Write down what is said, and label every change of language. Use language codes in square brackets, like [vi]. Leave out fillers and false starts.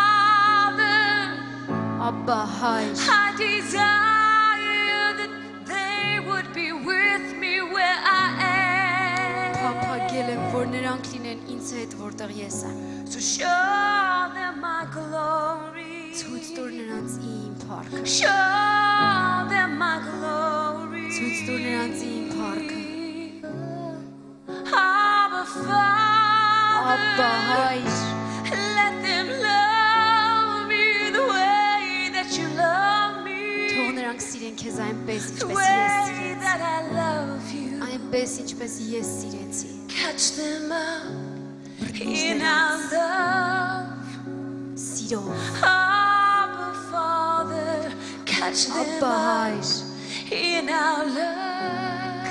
[en] I desire that they would be with me. [hy] նրանք լինեն ինձ հետ, որտեղ ես եմ. [en] To show them my glory. [hy] Ցույց տուր նրանց իմ փառքը. [en] Show them my glory. [hy] Ցույց տուր նրանց իմ փառքը. [en] Abba Father. [hy] Աբա Հայր. [en] Let them love me the way that you love me. [hy] Թող նրանք սիրեն քեզ այնպես, ինչպես ես սիրեցի. [en] That I love you. [hy] Այնպես, ինչպես ես սիրեցի. [en] Catch them up in our love. [hy] Սիրո. [en] Abba Father. Catch them up in our love.